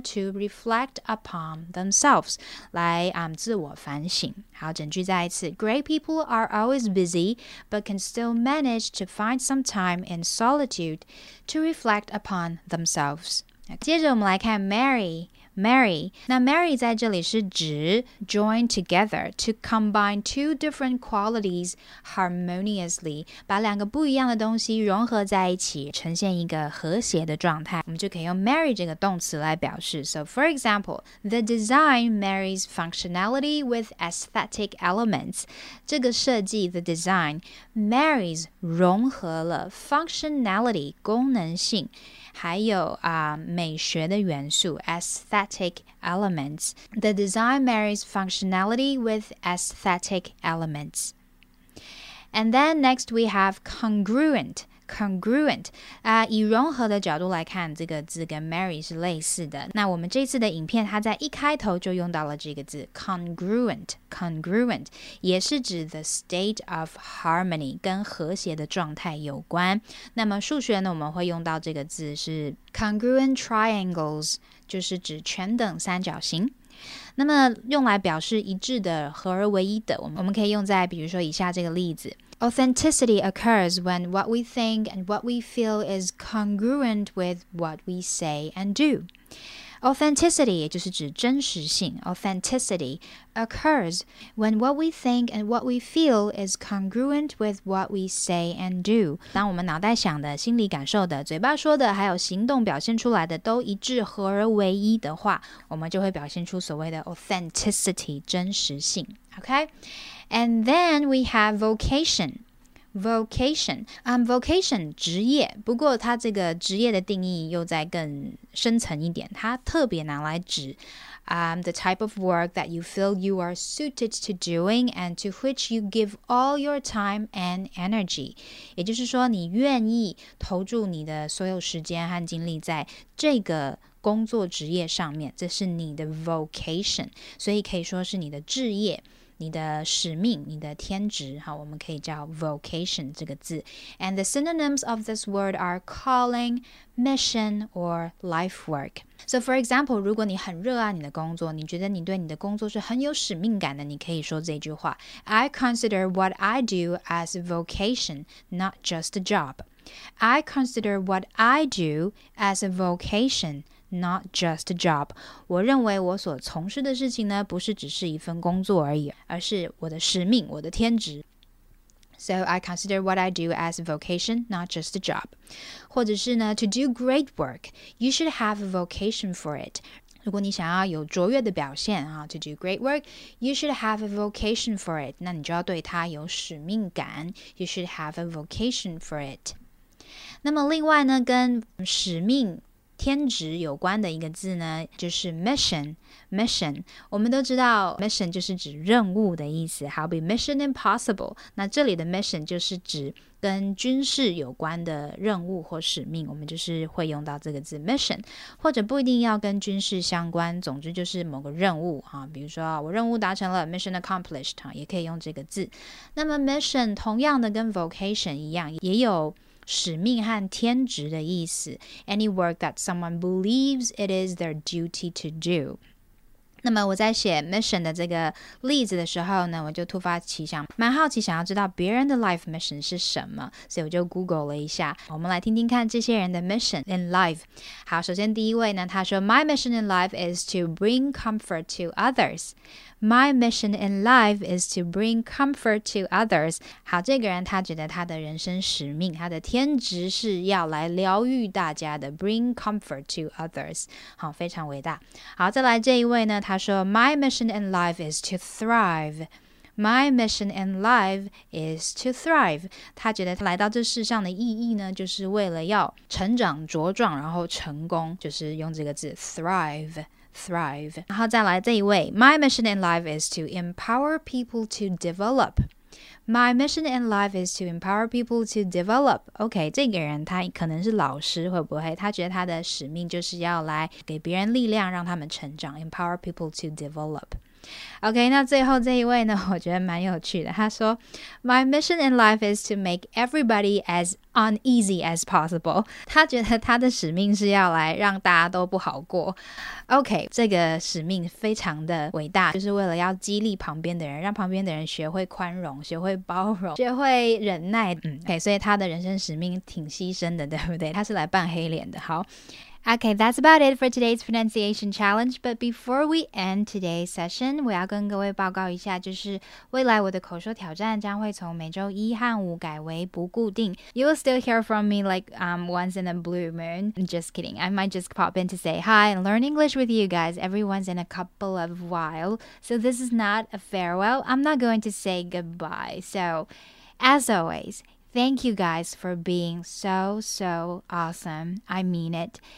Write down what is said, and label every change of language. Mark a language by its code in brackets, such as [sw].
[en] To reflect upon themselves, [zh] 来自我反省。好，整句再一次。 [en] Great people are always busy, but can still manage to find some time in solitude to reflect upon themselves. [zh] 接着我们来看 [en] marry, Mary. [zh] 那 Mary 在这里是指 [en] join together, to combine two different qualities harmoniously, [zh] 把两个不一样的东西融合在一起，呈现一个和谐的状态。我们就可以用 Mary 这个动词来表示。 [en] So for example, the design marries functionality with aesthetic elements. [zh] 这个设计 [en] the design marries [zh] 融合了 functionality 功能性还有美学的元素 [en] aesthetic elements. The design marries functionality with aesthetic elements. And then next we have congruent. Congruent. [zh] 以融合的角度来看，这个字跟 Mary 是类似的。那我们这次的影片，它在一开头就用到了这个字 congruent. Congruent 也是指 [en] the state of harmony [zh] 跟和谐的状态有关。那么数学呢，我们会用到这个字是 congruent triangles， 就是指全等三角形。那么用来表示一致的、合而为一的，我们可以用在比如说以下这个例子。 [en] Authenticity occurs when what we think and what we feel is congruent with what we say and do. Authenticity [zh] 也就是指真实性 [en] Authenticity occurs when what we think and what we feel is congruent with what we say and do. [zh] 当我们脑袋想的、心里感受的、嘴巴说的还有行动表现出来的都一致合而为一的话我们就会表现出所谓的 authenticity 真实性 Okay? [en] And then we have vocation. Vocation. Vocation, [zh] 职业。不过它这个职业的定义又再更深层一点。它特别拿来指 [en] the type of work that you feel you are suited to doing and to which you give all your time and energy. [zh] 也就是说你愿意投注你的所有时间和精力在这个工作职业上面。这是你的 vocation. 所以可以说是你的职业。你的使命，你的天职，好，我们可以叫 vocation 这个字。 [en] And the synonyms of this word are calling, mission, or life work. So for example, [zh] 如果你很热爱你的工作，你觉得你对你的工作是很有使命感的，你可以说这句话。 [en] I consider what I do as a vocation, not just a job. I consider what I do as a vocation,Not just a job. [zh] 我认为我所从事的事情呢，不是只是一份工作而已，而是我的使命，我的天职。 [en] So I consider what I do as a vocation, not just a job. [zh] 或者是呢 [en] to do great work, you should have a vocation for it. [zh] 如果你想要有卓越的表现啊 [en] to do great work, you should have a vocation for it. [zh] 那你就要对它有使命感 [en] you should have a vocation for it. [zh] 那么另外呢，跟使命天职有关的一个字呢，就是 mission。 mission， 我们都知道 mission 就是指任务的意思，好比 mission impossible。那这里的 mission 就是指跟军事有关的任务或使命，我们就是会用到这个字 mission， 或者不一定要跟军事相关，总之就是某个任务啊，比如说我任务达成了 [en] mission accomplished [zh] 啊，也可以用这个字。那么 mission 同样的跟 vocation 一样，也有。使命和天职的意思 [en] Any work that someone believes it is their duty to do [zh] 那么我在写 mission 的这个例子的时候呢我就突发奇想蛮好奇想要知道别人的 life mission 是什么所以我就 Google 了一下我们来听听看这些人的 mission in life 好首先第一位呢他说 [en] My mission in life is to bring comfort to others [zh] My mission in life is to bring comfort to others. 好，这个人他觉得他的人生使命，他的天职是要来疗愈大家的 ， [en] bring comfort to others. [zh] 好，非常伟大。好，再来这一位呢，他说 [en] ，My mission in life is to thrive. My mission in life is to thrive. [zh] 他觉得他来到这世上的意义呢，就是为了要成长茁壮，然后成功，就是用这个字 thrive, thrive. 然后再来这一位 [en] ，My mission in life is to empower people to develop. My mission in life is to empower people to develop. [zh] OK, 这个人他可能是老师会不会他觉得他的使命就是要来给别人力量让他们成长 [en] empower people to develop. [zh] OK, 那最后这一位呢我觉得蛮有趣的他说 [en] My mission in life is to make everybody as uneasy as possible. [zh] 他觉得他的使命是要来让大家都不好过。 OK, 这个使命非常的伟大就是为了要激励旁边的人让旁边的人学会宽容学会包容学会忍耐。OK, 所以他的人生使命挺牺牲的对不对他是来扮黑脸的好。 [en] Okay, that's about it for today's pronunciation challenge. But before we end today's session, [zh] 我要跟各位报告一下，就是未来我的口说挑战将会从每周一和五改为不固定。 [en] You will still hear from me like once in a blue moon. Just kidding. I might just pop in to say hi and learn English with you guys every once in a couple of while. So this is not a farewell. I'm not going to say goodbye. So as always... Thank you guys for being so, so awesome. I mean it.